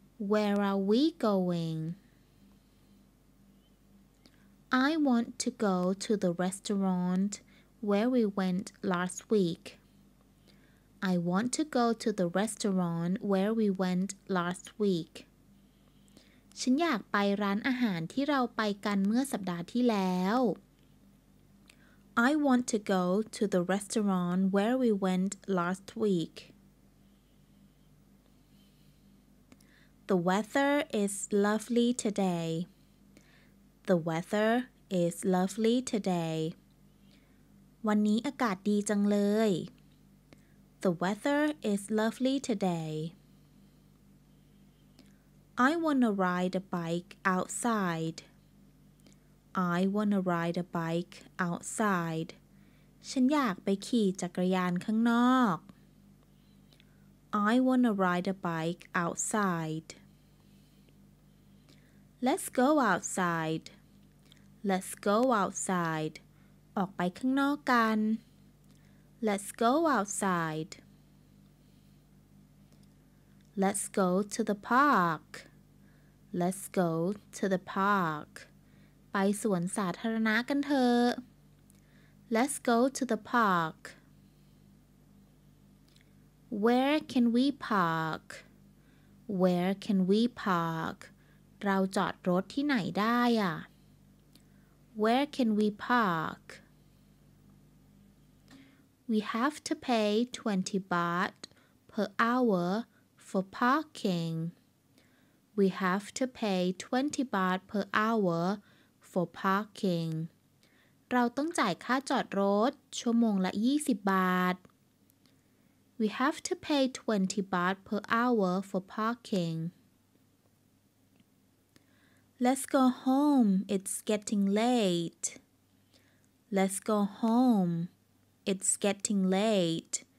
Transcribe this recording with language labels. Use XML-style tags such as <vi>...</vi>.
<en>Where are we going? I want to go to the restaurant where we went last week. I want to go to the restaurant where we went last week.</en> <th>ฉันอยากไปร้านอาหารที่เราไปกันเมื่อสัปดาห์ที่แล้ว</th> <en>I want to go to the restaurant where we went last week. The weather is lovely today. The weather is lovely today.</en> <th>วันนี้อากาศดีจังเลย</th> <en>The weather is lovely today. I want to ride a bike outside. I want to ride a bike outside.</en> <th>ฉันอยากไปขี่จักรยานข้างนอก</th> <en>I want to ride a bike outside. Let's go outside. Let's go outside.</en> <th>ออกไปข้างนอกกัน</th> <en>Let's go outside. Let's go to the park. Let's go to the park.</en> <th>ไปสวนสาธารณะกันเถอะ</th> <en>Let's go to the park. Where can we park? Where can we park?</en> <th>เราจอดรถที่ไหนได้อ่ะ</th> <en>Where can we park? We have to pay 20 baht per hour. For parking, we have to pay 20 baht per hour for parking.</en> <th>เราต้องจ่ายค่าจอดรถชั่วโมงละ20บาท</th> <en>We have to pay 20 baht per hour for parking. Let's go home. It's getting late. Let's go home. It's getting late.</en>